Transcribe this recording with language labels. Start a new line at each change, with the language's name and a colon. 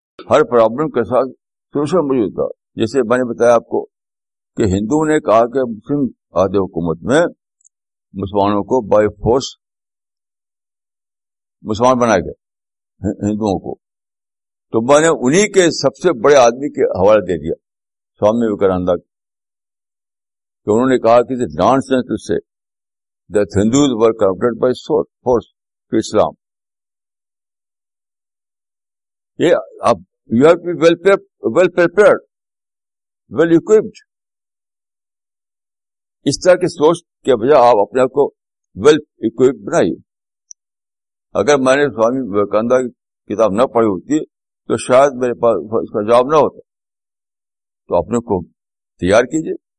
Urdu: ہر problem کے ساتھ solution موجود ہوتا ہے. جیسے میں نے بتایا آپ کو کہ ہندو نے کہا کہ مسلم عہد حکومت میں مسلمانوں کو بائی فورس مسلمان بنائے گئے ہندوؤں کو, تو میں نے انہی کے سب سے بڑے آدمی کے حوالے دے دیا سوامی ویویکانند, کہ انہوں نے کہا کہ نان سینس اس سے
English: that Hindus were corrupted by force to Islam. Yeah, you have to be well prepared, well equipped.
Urdu: اس طرح کی سوچ کے بجائے آپ اپنے آپ کو ویل اکوپڈ بنائیے. اگر میں نے سوامی ویویکانند کی کتاب نہ پڑھی ہوتی تو شاید میرے پاس اس کا جواب نہ ہوتا. تو اپنے کو تیار کیجیے.